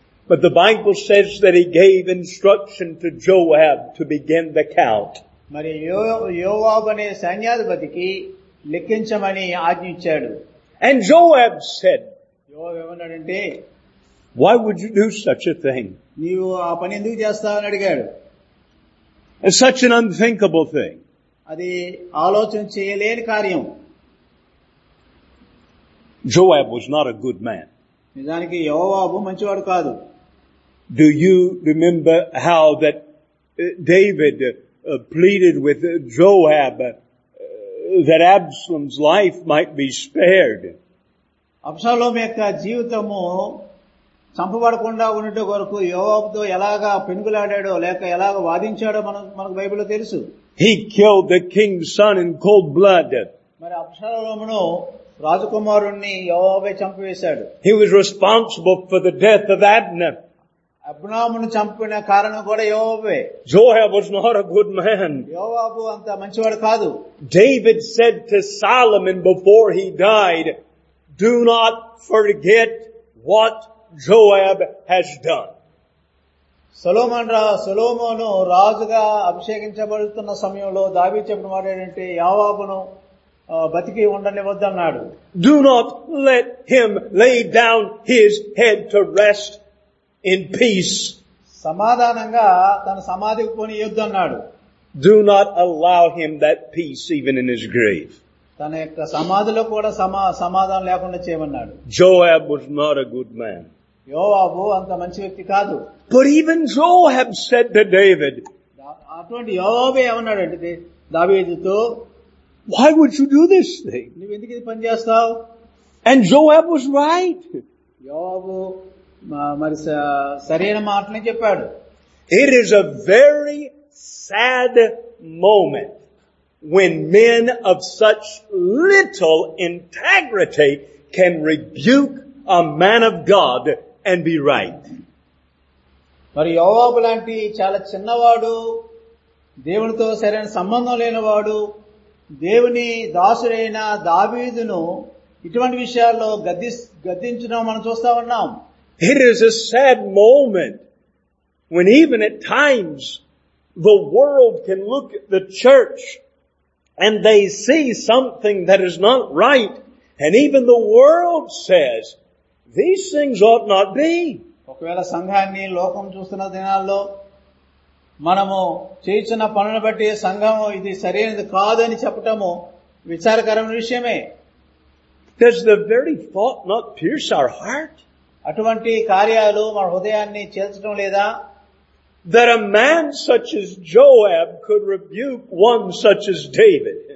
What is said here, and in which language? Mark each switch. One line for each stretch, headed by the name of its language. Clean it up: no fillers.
English: But the Bible says that he gave instruction to Joab to begin the count.
Telugu: మరి యోవాబ్ అనే సైన్యాధిపతికి లెక్కించమని ఆజ్ఞించాడు.
English: And Joab said,
Telugu: యోవాబ్ ఏమన్నాడంటే,
English: why would you do such a thing?
Telugu: నీవు ఆ పని ఎందుకు చేస్తావని అడిగాడు.
English: Such an unthinkable thing.
Telugu: అది ఆలోచన చేయలేని కార్యం.
English: Joab was not a good man.
Telugu: నిజానికి యోవాబు మంచివాడు కాదు.
English: Do you remember how that David pleaded with Joab that Absalom's life might be spared?
Telugu: అబ్సలోం యొక్క జీవితము చంపబడకుండా ఉండటం కొరకు యోవాబుతో ఎలాగా పెనుగులాడాడో లేక ఎలాగ వాదించాడో మనకు బైబిల్లో తెలుసు.
English: He killed the king's son in cold blood.
Telugu: మరి అబ్సలోమును రాజకుమారుణ్ణి యోవాబే చంపివేశాడు.
English: He was responsible for the death of Abner.
Telugu: అబ్నామును చంపిన కారణం కూడా యోవాబే.
English: Joab was not a good man.
Telugu: యోవాబు అంత మంచివాడు కాదు.
English: David said to Solomon before he died, "Do not forget what Joab has done."
Telugu: సొలొమోను రాజుగా అభిషేకించబడుతున్న సమయంలో దావీదు చెప్పిన మాట ఏంటంటే, యోవాబును బతికి ఉండనివ్వద్దన్నాడు.
English: Do not let him lay down his head to rest in peace.
Telugu: సమాధానంగా తన సమాధికి పోనియొద్దు అన్నాడు.
English: Do not allow him that peace even in his grave.
Telugu: తన యొక్క సమాధిలో కూడా సమాధానం లేకుండా చేయమన్నాడు.
English: Joab was not a good man.
Telugu: యోవాబు అంత మంచి వ్యక్తి కాదు.
English: But even Joab said to David.
Telugu: అటువంటి యోవాబే ఏమన్నాడంటే దావీదుతో,
English: why would you do this thing?
Telugu: నువ్వు ఎందుకు ఇది పని చేస్తావు?
English: And Joab was right.
Telugu: యోవాబు మరి సరైన మాటనే చెప్పాడు.
English: It is a very sad moment when men of such little integrity can rebuke a man of God and be right.
Telugu: మరి యోవాబు లాంటి చాలా చిన్నవాడు దేవునితో సరైన సంబంధం లేనివాడు దేవుని దాసుడైన దావీదును ఇటువంటి విషయాల్లో గద్దించడం మనం చూస్తా ఉన్నాం.
English: It is a sad moment when even at times the world can look at the church and they see something that is not right, and even the world says these things ought not be.
Telugu: ఒకవేళ సంఘాన్ని లోకం చూస్తున్న దినాల్లో మనము చేస్తున్న పనులను బట్టి సంఘము ఇది సరైనది కాదు అని చెప్పటము విచారకరమైన విషయమే.
English: Does the very thought not pierce our heart?
Telugu: అటువంటి కార్యాలు మన హృదయాన్ని చేల్చడం లేదా?
English: That a man such as Joab could rebuke one such as David.